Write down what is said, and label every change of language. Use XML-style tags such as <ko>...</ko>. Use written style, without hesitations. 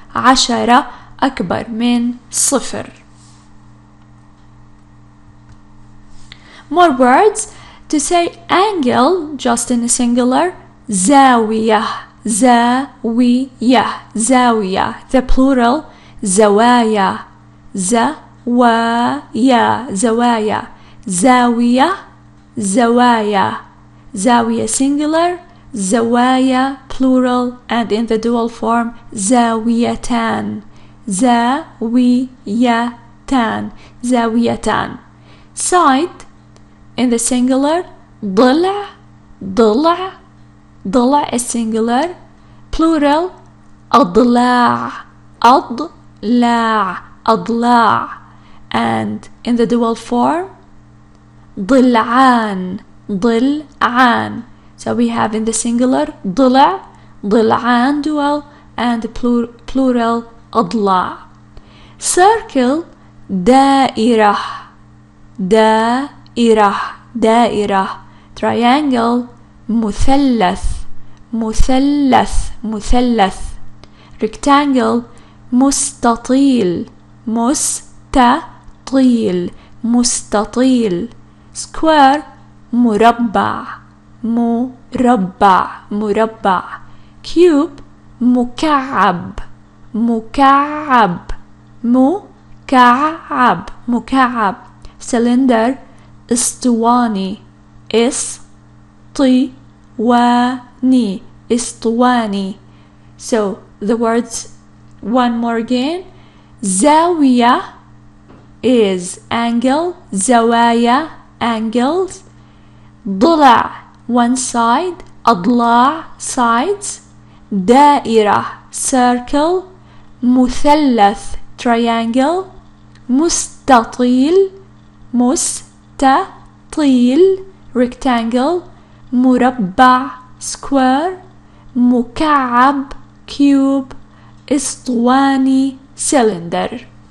<ar>10 أكبر من 0.</ar> <en>More words. To say angle, just in a singular,</en> <ar>زاوية, زاوية, زاوية.</ar> <en>The plural,</en> <ar>زوايا, زوايا, زوايا. زاوية, زوايا. زاوية</ar> <en>singular,</en> <ar>زوايا</ar> <en>plural, and in the dual form,</en> <ar>زاويتان, زاويتان, زاويتان.</ar> <en>Side, in the singular,</en> <ar>ضلع, ضلع, ضلع</ar> <en>is singular, plural,</en> <ar>أضلاع, أضلاع, أضلاع,</ar> <en>and in the dual form,</en> <ar>ضلعان, ضلعان.</ar> <en>So we have in the singular,</en> <ar>ضلع, ضلعان</ar> <en>dual, and plural,</en> <ar>أضلاع.</ar> <en>Circle,</en> <ar>دائرة, دائرة, دائرة.</ar> <en>Triangle,</en> <ar>مثلث, مثلث, مثلث.</ar> <en>Rectangle,</en> <ar>مستطيل, مستطيل, مستطيل.</ar> <en>Square,</en> <ar>مربع, مربع, مربع.</ar> <en>Cube,</en> <ar>مكعب, مكعب, مكعب, مكعب.</ar> <en>Cylinder,</en> <ar>استواني, استواني, استواني.</ar> <en>So the words one more again.</en> <ar>زاوية</ar> <en>is angle,</en> <ar>زوايا</ar> <en>angles,</en> <ar>ضلع</ar> <en>one side,</en> <ar>أضلاع</ar> <en>sides,</en> <ar>دائرة</ar> <en>circle,</en> <ar>مثلث</ar> <en>triangle,</en> <ar>مستطيل, مستطيل</ar> <en>rectangle,</en> <ar>مربع</ar> <en>square,</en> <ar>مكعب</ar> <en>cube,</en> <ar>استواني</ar> <en>cylinder.</en>